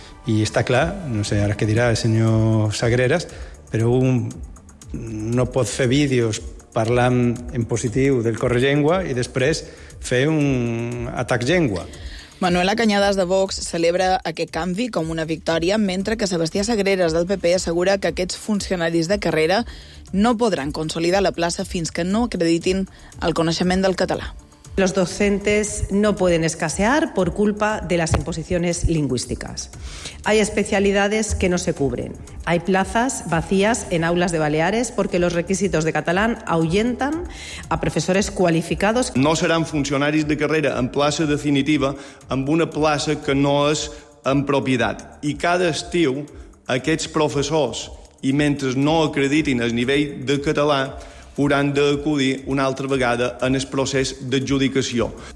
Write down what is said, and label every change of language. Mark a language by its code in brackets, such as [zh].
[ca] I està clar, no sé ara què dirà el senyor Sagreras, però un no pot fer vídeos parlant en positiu del Correllengua i després fer un atac llengua. Manuela Cañadas, de Vox, celebra aquest canvi com una victòria, mentre que Sebastià Sagreras, del PP, assegura que aquests funcionaris de carrera no podran consolidar la plaça fins que no acreditin el coneixement del català. [es] Los docentes no pueden escasear por culpa de las imposiciones lingüísticas. Hay especialidades que no se cubren. Hay plazas vacías en aulas de Baleares porque los requisitos de catalán ahuyentan a profesores cualificados. No serán funcionarios de carrera [ca] en plaça definitiva amb una plaça que no és en propietat. I cada estiu aquests professors, i mentre no acreditin el nivell de català, hauran d'acudir una altra vegada en el procés d'adjudicació.